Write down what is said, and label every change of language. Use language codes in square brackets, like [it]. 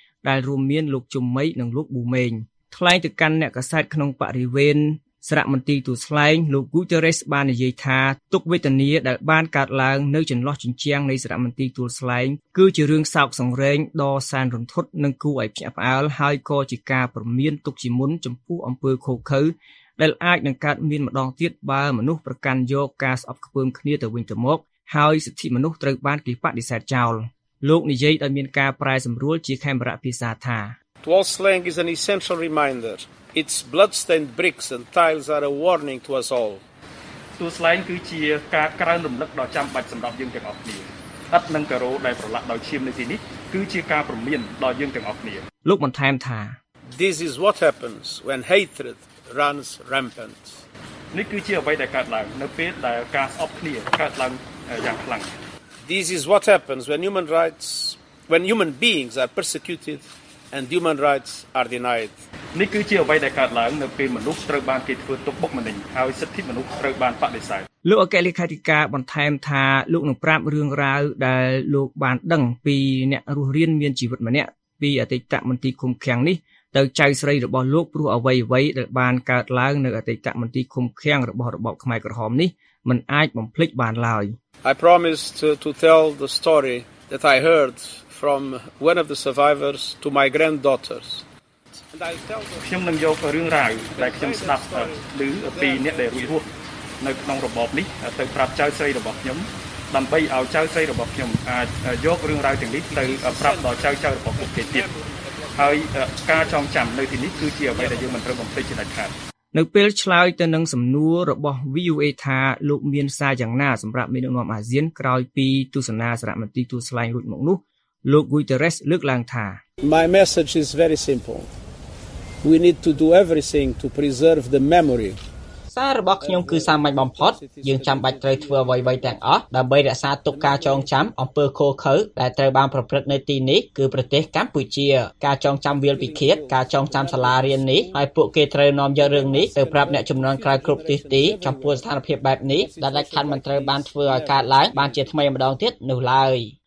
[km] ដែលរួមមានលោកជុំមីនិងលោកប៊ូមេងថ្លែងទៅកាន់អ្នកកាសែតក្នុងបរិវេណសារមន្ទីរទួលស្លែងលោកហ្គូទេរេសបាននិយាយថាទុក្ខវេទនាដែលបានកើតឡើងនៅចន្លោះជញ្ជាំងនៃសារមន្ទីរទួលស្លែងគឺជារឿងសោកសង្រេងដ៏សែនរន្ធត់និងគួរឲ្យភ្ញាក់ផ្អើលហើយក៏ជាការព្រមានទុកជាមុនចំពោះអំពើឃោឃៅដែលអាចនឹងកើតមានម្ដងទៀតបើមនុស្សប្រកាន់យកការស្អប់ខ្ពើមគ្នាទៅវិញទៅមក ហើយសិទ្ធិមនុស្សត្រូវបានគេបដិសេធចោលលោកនិយាយដោយមានការប្រែសម្រួលជាខេមរៈភាសាថា [en] Wall slang is an essential reminder. Its bloodstained bricks and tiles are a warning to us all. [km] Wall slang គឺជាការក្រើនរំលឹកដ៏ចាំបាច់សម្រាប់យើងទាំងអស់គ្នាឥតនឹងការោដែលប្រឡាក់ដោយឈាមនៅទីនេះគឺជាការព្រមានដល់យើងទាំងអស់គ្នា លោកបន្ថែមថា [en] This is what happens when hatred runs rampant. [km] នេះគឺជាអ្វីដែលកើតឡើងនៅពេលដែលការស្អប់គ្នាកើតឡើងយ៉ាងខ្លាំង [en] This is what happens when human rights when human beings are persecuted and human rights are denied. [km] នេះគឺជាអ្វីដែលកើតឡើងនៅពេលមនុស្សត្រូវបានគេធ្វើទុកបុកម្នេញហើយសិទ្ធិមនុស្សត្រូវបានបដិសេធ លោកអគ្គលេខាធិការបន្ថែមថាលោកនឹងប្រាប់រឿងរ៉ាវដែលលោកបានដឹងពីអ្នករស់រានមានជីវិតម្នាក់ពីអតីតមន្ត្រីឃុំឃាំងនេះទៅចៅស្រីរបស់លោកព្រោះអ្វីៗដែលបានកើតឡើងនៅអតីតមន្ត្រីឃុំឃាំងរបស់របបខ្មែរក្រហមនេះមិនអាចបំភ្លេចបានឡើយ [en] I promise to tell the story that I heard from one of the survivors to my granddaughters and I tell [km] ខ្ញុំនឹងយករឿងរ៉ាវដែលខ្ញុំស្ដាប់ឮពីអ្នកដែលរស់រស់នៅក្នុងរបបនេះទៅប្រាប់ចៅស្រីរបស់ខ្ញុំដើម្បីឲ្យចៅស្រីរបស់ខ្ញុំអាចយករឿងរ៉ាវទាំងនេះទៅប្រាប់ដល់ចៅចៅរបស់ពួកគេទៀតហើយការចងចាំនៅទីនេះគឺជាអ្វីដែលយើងមិនត្រូវបំភ្លេចជាដាច់ខាត នៅពេលឆ្លើយទៅនឹងសំណួររបស់ VOA ថាលោកមានសារយ៉ាងណាសម្រាប់មេដឹកនាំអាស៊ានក្រោយពីទស្សនាសារមន្ទីរទូតស្លែងរួចមកនោះលោក Guterres លើកឡើងថា My message is very simple. We need to do everything to preserve the memory. សាររបស់ខ្ញុំគឺសាមញ្ញបំផុតយើងចាំបាច់ត្រូវធ្វើអ្វីៗទាំងអស់ដើម្បីរក្សាទុកការចងចាំអំពើឃោរឃៅដែលត្រូវបានប្រព្រឹត្តនៅទីនេះគឺប្រទេសកម្ពុជាការចងចាំវាលពិឃាតការចងចាំសាលារៀននេះហើយពួកគេត្រូវនាំយករឿងនេះទៅប្រាប់អ្នកជំនាន់ក្រោយគ្រប់ទិសទីចំពោះស្ថានភាពបែបនេះដែលដាច់ខាតមិនត្រូវបានធ្វើឲ្យកើតឡើងបានជាថ្មីម្ដងទៀតនោះឡើយ